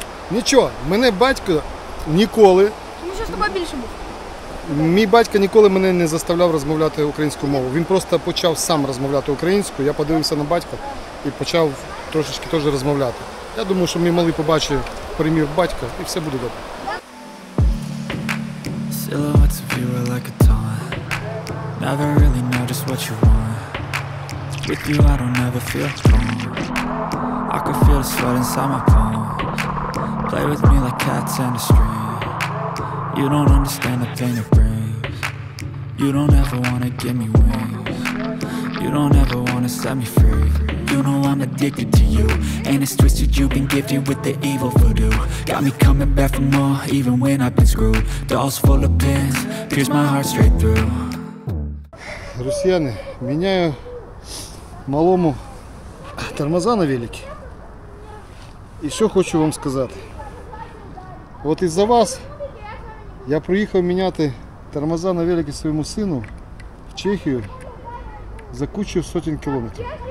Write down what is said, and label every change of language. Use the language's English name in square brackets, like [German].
[Ukrainian] Нічого, мене батько ніколи... Тому що з тобою більше був. Мій батько ніколи мене не заставляв розмовляти українською мовою. Він просто почав сам розмовляти українською. Я подивився на батька і почав трошечки теж розмовляти. Я думаю, що мій малий побачить примір батька і все буде добре. [English] Silhouettes of you are like a taunt. Never really know just what you want. With you I don't ever feel calm. I could feel the sweat inside my palms. Play with me like cats and a string. You don't understand the pain it brings. You don't ever wanna give me wings. You don't ever wanna set me free. You know I'm addicted to you. And it's twisted, you've been gifted with the evil voodoo. Got me coming back for more, even when I've been screwed. Dolls full of pins, pierce my heart straight through. [Ukrainian] Росіяни, міняю малому тормоза на велике. І що хочу вам сказати. От із-за вас я приїхав міняти тормоза на велике своєму сину в Чехію за кучу сотень кілометрів.